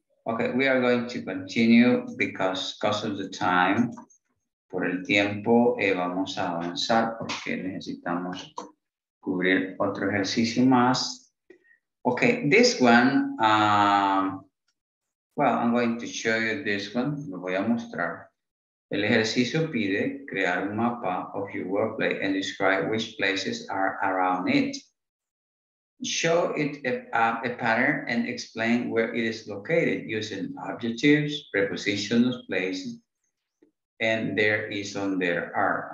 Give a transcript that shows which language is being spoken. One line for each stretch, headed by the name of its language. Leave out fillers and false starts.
English: Okay, we are going to continue because of the time.
Spanish: Por el tiempo, vamos a avanzar porque necesitamos cubrir otro ejercicio más.
English: Okay, this one, I'm going to show you this one.
Spanish: Lo voy a mostrar. El ejercicio pide crear un mapa
English: of your workplace and describe which places are around it. Show it a pattern and explain where it is located using adjectives, prepositions, places, and there is on there are.